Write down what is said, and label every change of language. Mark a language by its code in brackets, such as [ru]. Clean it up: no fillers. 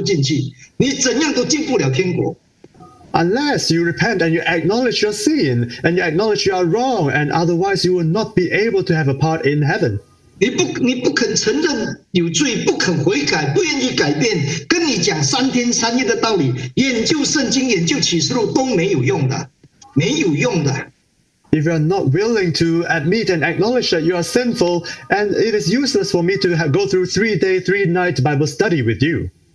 [zh] 你不能够悔改，你不承认你的罪，你不愿意悔改，天国跟你没有份。这个福音哦，怎样传都传不进去，你怎样都进不了天国。 [en] Unless you repent and you acknowledge your sin and you acknowledge you are wrong, and otherwise you will not be able to have a part in heaven. [zh] 你不肯承认有罪，不肯悔改，不愿意改变，跟你讲三天三夜的道理，研究圣经、研究启示录都没有用的，没有用的。 [en] If you are not willing to admit and acknowledge that you are sinful, and it is useless for me to go through 3 day, 3 night Bible study with you.